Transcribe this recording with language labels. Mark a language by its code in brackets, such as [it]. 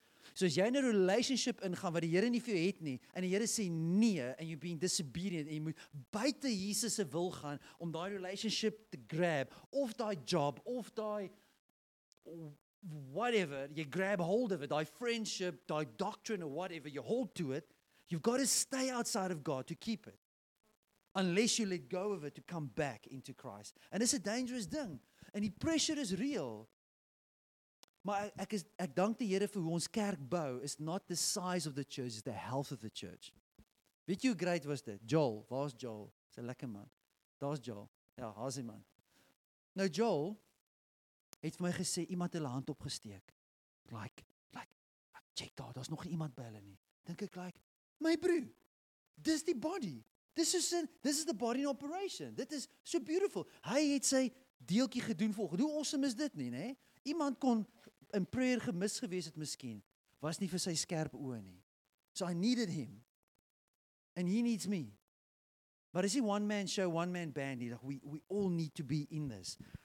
[af] So as jy in 'n relationship ingaan wat die Here nie vir jou het nie, en die Here sê nee, [en] and you're being disobedient, [af] en jy moet buite Jesus se wil gaan om daai relationship te grab, of daai job, of daai whatever, [en] you grab hold of it, [af] daai friendship, daai doctrine, [en] or whatever, you hold to it, you've got to stay outside of God to keep it. Unless you let go of it to come back into Christ. And it's a dangerous thing. And die pressure is real. [af] Maar ek dank die Here vir hoe ons kerk bou. [en] It's not the size of the church, it's the health of the church. [af] Weet jy hoe great was dit? Joel, waar's Joel? Dis 'n lekker man. Daar's Joel. Ja, hasie man. Nou Joel het vir my gesê iemand het hulle hand opgesteek. Like check daar, daar's nog iemand by hulle nie. Dink ek like, my broer, dis die body. [en] This is the body in operation. [af] Dit is so beautiful. Hy het sy deeltjie gedoen vir God. Hoe awesome is dit nie, né? Iemand kon in prayer gemis gewees het miskien, was nie vir sy skerp oë nie. [en] So I needed him. And he needs me. But is he one man show, one man band? Like we all need to be in this.